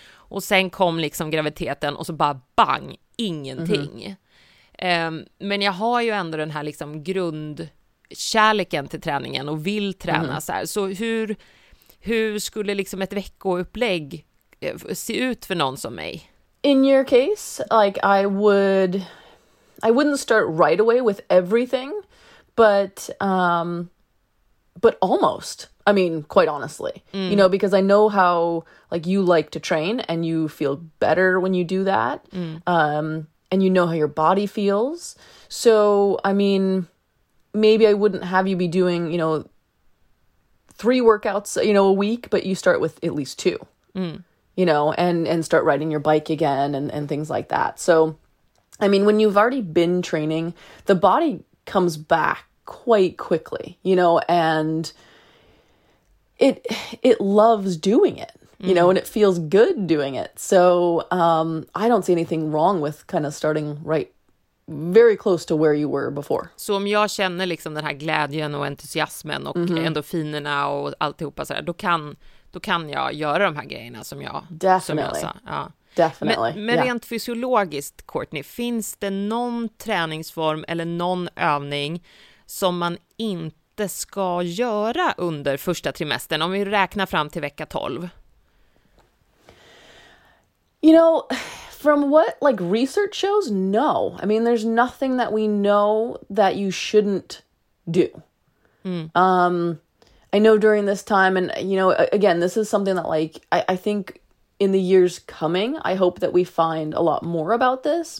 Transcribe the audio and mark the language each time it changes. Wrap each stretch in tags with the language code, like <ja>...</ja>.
<sv>Och sen kom liksom graviditeten och så bara bang, ingenting. Mm-hmm. Men jag har ju ändå den här liksom grundkärleken till träningen och vill träna mm-hmm. så här. Så hur skulle liksom ett veckoupplägg se ut för någon som mig?</sv> <en>In your case, like I wouldn't start right away with everything, but almost. I mean, quite honestly, you know, because I know how like you like to train and you feel better when you do that. And you know how your body feels. So, I mean, maybe I wouldn't have you be doing, you know, 3 workouts, you know, a week, but you start with at least 2, you know, and start riding your bike again and things like that. So, I mean, when you've already been training, the body comes back quite quickly, you know, and it loves doing it, you know, and it feels good doing it. So I don't see anything wrong with kind of starting right very close to where you were before.</en> <sv>Så om jag känner liksom den här glädjen och entusiasmen och mm-hmm. endorfinerna och alltihopa så här, då kan jag göra de här grejerna som jag</sv> <en>definitely.</en> <sv>Som jag sa. Ja.</sv> <en>Definitely.</en> <sv>Men rent fysiologiskt, Courtney, finns det någon träningsform eller någon övning som man inte ska göra under första trimestern om vi räknar fram till vecka 12?</sv> <en>You know, from what like research shows, no. I mean, there's nothing that we know that you shouldn't do. I know during this time, and you know, again, this is something that like I think in the years coming, I hope that we find a lot more about this.</en>